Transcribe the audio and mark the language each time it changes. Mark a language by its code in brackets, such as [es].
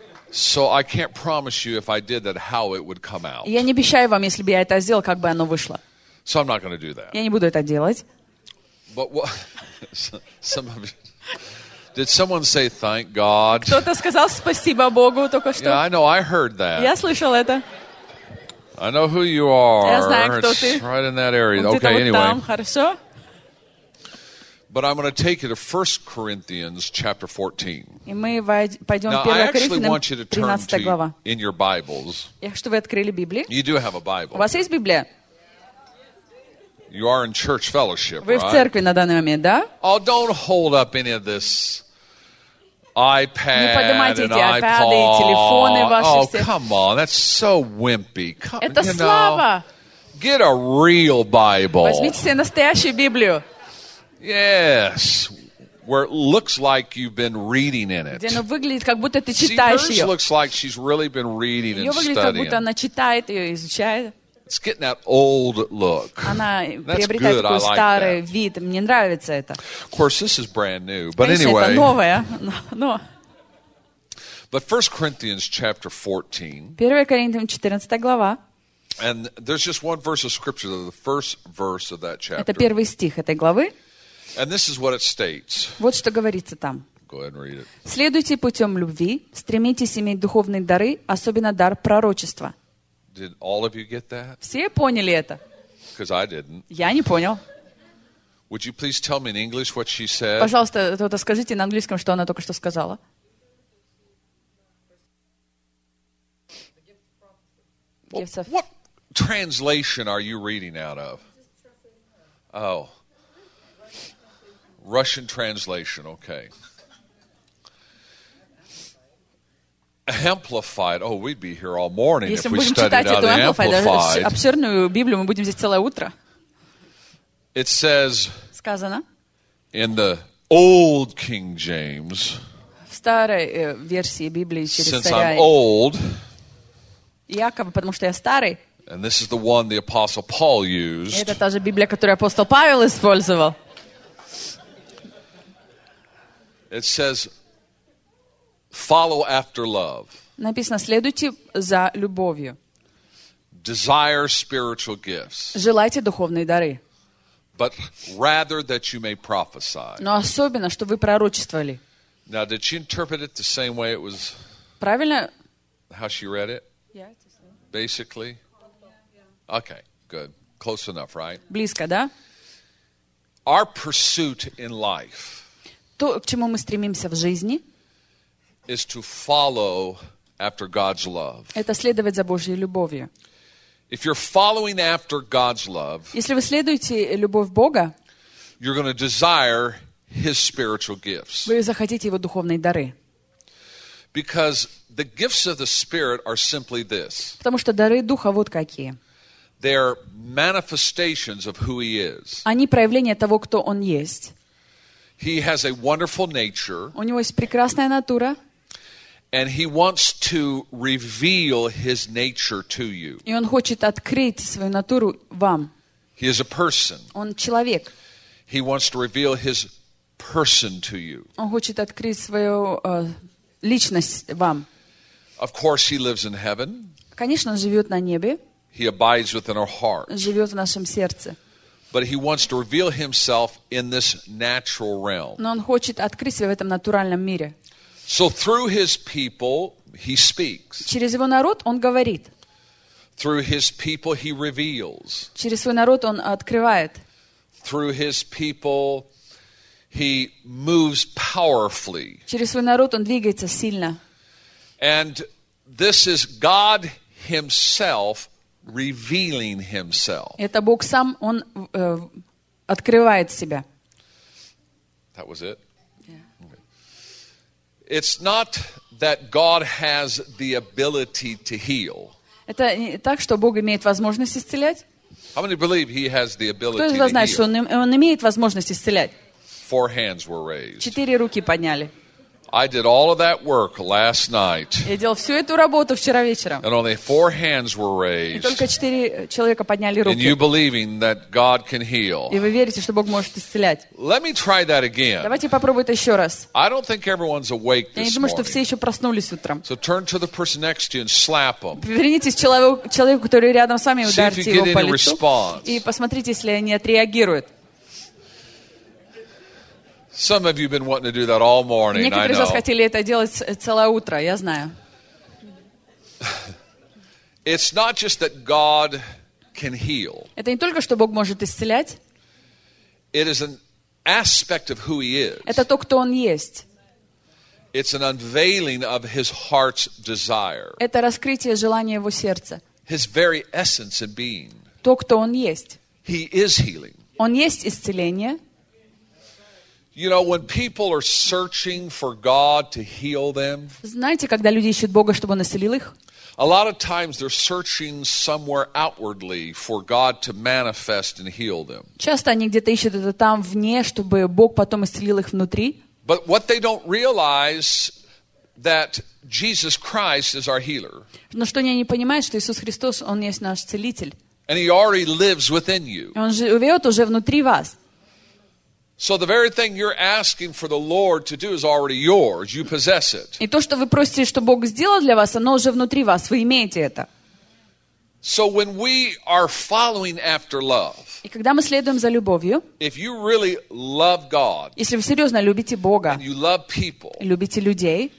[en] So I can't promise you if I did that how it would come out. [ru] Я не обещаю вам, если бы я это сделал, как бы оно вышло. [en] So I'm not going to do that. [ru] Я не буду это делать. [en] But what? Some of you. Did someone say thank God? [ru] Кто-то сказал спасибо Богу только что. [en] Yeah, I know. I heard that. [ru] Я слышал это. [en] I know who you are. [ru] Я знаю, кто [en] it's [ru] ты. [en] Right in that area. Okay. [ru] Вот [en] anyway. [ru] Там, хорошо. [en] But I'm going to take you to 1 Corinthians chapter 14. [ru] И мы пойдем [en] Now, 1 Corinthians [ru] 13 глава. [en] I actually want you to turn to in your Bibles. [ru] Я хочу, чтобы вы открыли Библию. [en] You do have a Bible. [ru] У вас есть Библия? [en] You are in church fellowship, right? [ru] Вы в церкви на данный момент, да? [en] Oh, don't hold up any of this iPad and iPod. [ru] Не поднимайте эти iPad и телефоны ваши все. [en] Oh, come on, that's so wimpy. Come, [ru] это слабо. [en] Get a real Bible. [ru] Возьмите себе настоящую Библию. [en] Yes, where it looks like you've been reading in it. [ru] Где она выглядит, как будто ты читаешь ее. [en] See, hers looks like she's really been reading and studying. [ru] Ее выглядит, как будто она читает ее, изучает. [en] It's getting that old look. [ru] Она приобретает такой старый вид. Мне нравится это. [en] Of course, this is brand new, but anyway. [ru] Это новое, но. [en] But 1 Corinthians chapter 14. [ru] 1 Коринфянам 14 глава. [en] And there's just one verse of scripture, the first verse of that chapter. [ru] Это первый стих этой главы. [en] And this is what it states. [ru] Вот что говорится там. [en] Go ahead and read it. [ru] Следуйте путем любви, стремитесь иметь духовные дары, особенно дар пророчества. [en] Did all of you get that? [ru] Все поняли это? [en] Because I didn't. [ru] Я не понял. [en] Would you please tell me in English what she said? [ru] Пожалуйста, кто-то скажите на английском, что она только что сказала. [en] What translation are you reading out of? Oh. Russian translation, okay. Amplified. Oh, we'd be here all morning [ru] Если [en] if we studied out of Amplified. [ru] Даже обширную Библию, мы будем здесь целое утро. [en] It says [ru] Сказано. [en] In the old King James [ru] В старой версии Библии через [en] Since [ru] царя, [en] I'm old [ru] якобы, потому что я старый, [en] And this is the one the Apostle Paul used [ru] Это та же Библия, которую апостол Павел использовал. [en] It says Follow after love. [ru] Написано, следуйте за любовью. [en] Desire spiritual gifts. [ru] Желайте духовные дары. [en] But rather that you may prophesy. [ru] Но особенно, чтобы вы пророчествовали. [en] Now, did she interpret it the same way it was? [ru] Правильно? [en] How she read it? Yeah. Basically? Yeah. Okay, good. Close enough, right? [ru] Близко, да? [en] Our pursuit in life. [ru] То, к чему мы стремимся в жизни. [en] Is to follow after God's love. [ru] Это следовать за Божьей любовью. [en] If you're following after God's love, [ru] если вы следуете любовь Бога, [en] you're going to desire His spiritual gifts. [ru] Вы захотите его духовные дары. [en] Because the gifts of the Spirit are simply this. [ru] Потому что дары Духа вот какие. [en] They are manifestations of who He is. [ru] Они проявление того, кто Он есть. [en] He has a wonderful nature. [ru] У него есть прекрасная натура. [en] And he wants to reveal his nature to you. [ru] И он хочет открыть свою натуру вам. [en] He is a person. [ru] Он человек. [en] He wants to reveal his person to you. [ru] Он хочет открыть свою личность вам. [en] Of course, he lives in heaven. [ru] Конечно, он живет на небе. [en] He abides within our heart. [ru] Он живет в нашем сердце. [en] But he wants to reveal himself in this natural realm. [ru] Но он хочет открыть себя в этом натуральном мире. [en] So through his people, he speaks. [ru] Через его народ он говорит. [en] Through his people, he reveals. [ru] Через свой народ он открывает. [en] Through his people, he moves powerfully. [ru] Через свой народ он двигается сильно. [en] And this is God himself revealing himself. [ru] Это Бог сам, он открывает себя. [en] That was it? Yeah. Okay. It's not that God has the ability to heal. [ru] Это не так, что Бог имеет возможность исцелять? [en] How many believe he has the ability to heal? [ru] Кто из вас знает, что он имеет возможность исцелять? [en] Four hands were raised. [ru] Четыре руки подняли. [en] I did all of that work last night. [ru] Я делал всю эту работу вчера вечером. [en] And only four hands were raised. [ru] И только четыре человека подняли руки. [en] And you believing that God can heal. [ru] И вы верите, что Бог может исцелять. [en] Let me try that again. [ru] Давайте попробуем еще раз. [en] I don't think everyone's awake this morning. [ru] Я думаю, что все еще проснулись утром. [en] So turn to the person next to you and slap them. [ru] Повернитесь к человеку, который рядом с вами, и ударьте его по лицу. [en] See if you get any response. [ru] И посмотрите, если они отреагируют. [en] Some of you have been wanting to do that all morning. [ru] Некоторые из вас хотели это делать целое утро, я знаю. [en] It's not just that God can heal. [ru] Это не только что Бог может исцелять. [en] It is an aspect of who he is. [ru] Это то, кто он есть. [en] It's an unveiling of his heart's desire. [ru] Это раскрытие желания его сердца. [en] His very essence and being. [ru] То, кто он есть. [en] He is healing. [ru] Он есть исцеление. [en] You know, when people are searching for God to heal them, [ru] знаете, когда люди ищут Бога, чтобы он исцелил их? [en] A lot of times they're searching somewhere outwardly for God to manifest and heal them. [ru] Часто они где-то ищут это там вне, чтобы Бог потом исцелил их внутри. [en] But what they don't realize that Jesus Christ is our healer. [ru] Но что они не понимают, что Иисус Христос, он есть наш целитель. [en] And he already lives within you. [ru] Он живет уже внутри вас. [en] So the very thing you're asking for the Lord to do is already yours. You possess it. [ru] И то, что вы просите, чтобы Бог сделал для вас, оно уже внутри вас. Вы имеете это. [en] So when we are following after love. [ru] И когда мы следуем за любовью. [en] If you really love God. [ru] Если вы серьезно любите Бога. [en] And you love people. [ru] Любите людей.